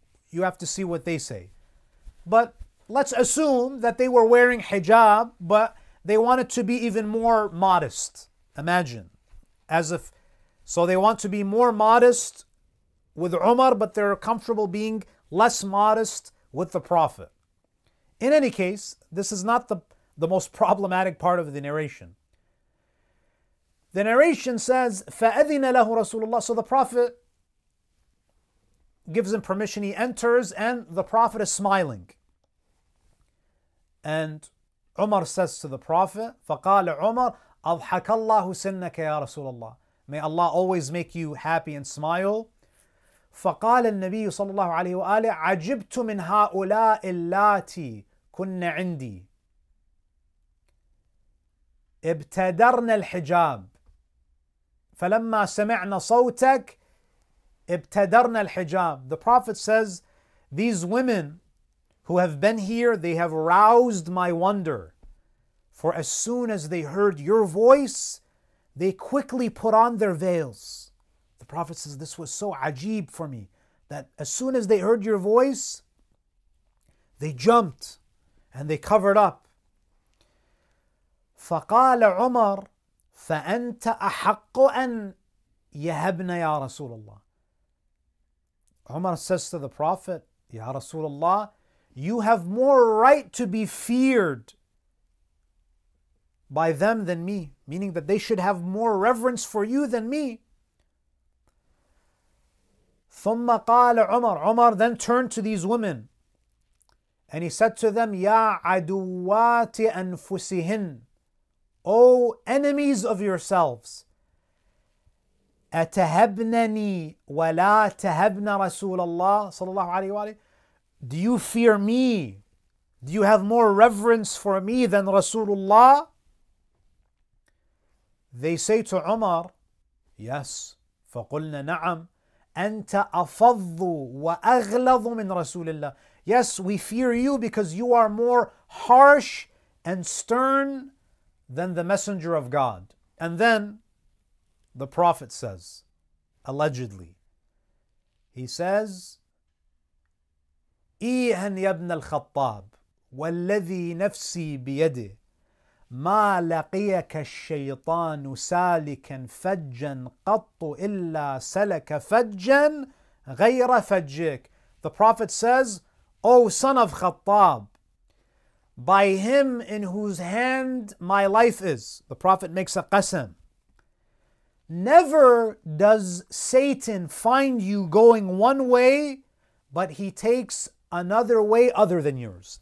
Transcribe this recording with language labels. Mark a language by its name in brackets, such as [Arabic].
[English] You have to see what they say. But let's assume that they were wearing hijab, but they wanted to be even more modest. Imagine. So they want to be more modest with Umar, but they're comfortable being less modest with the Prophet. In any case, this is not the most problematic part of the narration. The narration says, [Arabic] فَأَذِنَ لَهُ رَسُولُ اللَّهِ. [English] So the Prophet gives him permission, he enters, and the Prophet is smiling. And Umar says to the Prophet, [Arabic] فَقَالَ عُمَرْ أَضْحَكَ اللَّهُ سِنَّكَ يَا رَسُولَ اللَّهِ. [English] May Allah always make you happy and smile. [Arabic] فقال النبي صلى الله عليه وآله عجبت من هؤلاء اللاتي كن عندي ابتدرن الحجاب فلما سمعنا صوتك ابتدرن الحجاب. [English] The Prophet says, these women who have been here, they have aroused my wonder. For as soon as they heard your voice, they quickly put on their veils. The Prophet says, this was so ajib for me that as soon as they heard your voice, they jumped and they covered up. [Arabic] فَقَالَ عُمَرْ فَأَنْتَ أَحَقُّ أَنْ يَهَبْنَ يَا رَسُولَ اللَّهِ. [English] Umar says to the Prophet, Ya Rasulullah, you have more right to be feared by them than me, meaning that they should have more reverence for you than me. [Arabic] ثم قال عمر. [English] Umar then turned to these women and he said to them, [Arabic] يا عدوات أنفسهن. [English] O enemies of yourselves, [Arabic] أتهبنني ولا تهبن رسول الله صلى الله عليه وآله. [English] Do you fear me? Do you have more reverence for me than Rasulullah? They say to Umar, yes. [Arabic] فقلنا نعم. أنت أفض وأغلظ من رسول الله. [English] Yes, we fear you because you are more harsh and stern than the Messenger of God. And then the Prophet says, allegedly, he says, [Arabic] إيهن يا ابن الخطاب والذي نفسي بيده ما لقيك الشيطان سالكا فجا قط إلا سلك فجا غير فجك. [English] The Prophet says, O son of Khattab, by him in whose hand my life is, the Prophet makes a qasam, never does Satan find you going one way, but he takes another way other than yours.